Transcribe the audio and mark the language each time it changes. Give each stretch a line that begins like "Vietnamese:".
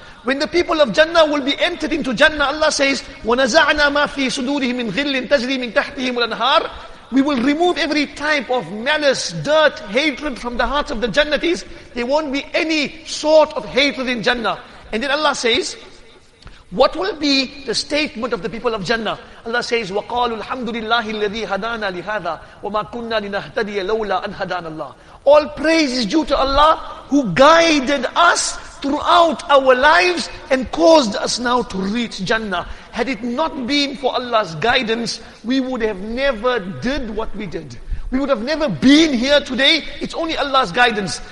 English: When the people of Jannah will be entered into Jannah, Allah says,
Arabic: وَنَزَعْنَا مَا فِي صُدُورِهِمْ مِنْ غِلٍ تَجْرِي مِنْ تَحْتِهِمُ الْأَنْهَارِ.
English: We will remove every type of malice, dirt, hatred from the hearts of the Jannatis. There won't be any sort of hatred in Jannah. And then Allah says, what will be the statement of the people of Jannah? Allah says,
Arabic: وَقَالُوا الْحَمْدُ لِلَّهِ الَّذِي هَدَانَا لِهَذَا وَمَا كُنَّا لِنَهْتَدِيَ لَوْلَا أَنْ هَدَانَ اللَّهِ.
English: All praise is due to Allah who guided us throughout our lives and caused us now to reach Jannah. Had it not been for Allah's guidance, we would have never did what we did. We would have never been here today. It's only Allah's guidance.